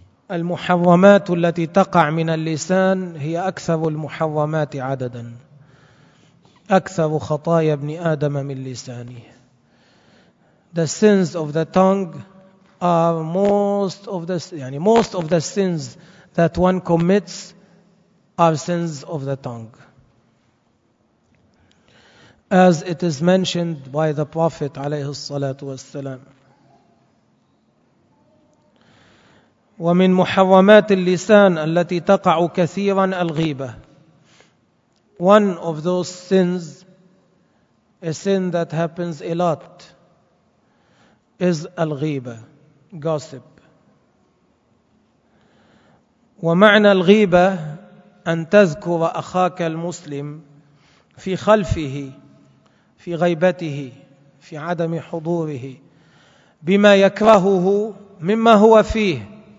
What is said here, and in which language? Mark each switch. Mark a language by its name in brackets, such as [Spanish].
[Arabic] المحرمات التي تقع من اللسان هي أكثر المحرمات عددا، أكثر خطايا ابن آدم من لسانه. [English] The sins of the tongue are most of the sins that one commits are sins of the tongue. As it is mentioned by the Prophet [Arabic] عليه الصلاة والسلام. ومن محرمات اللسان التي تقع كثيرا الغيبة. [English] One of those sins, a sin that happens a lot, is الغيبة, gossip. [Arabic] ومعنى الغيبة أن تذكر أخاك المسلم في خلفه، في غيبته، في عدم حضوره، بما يكرهه مما هو فيه.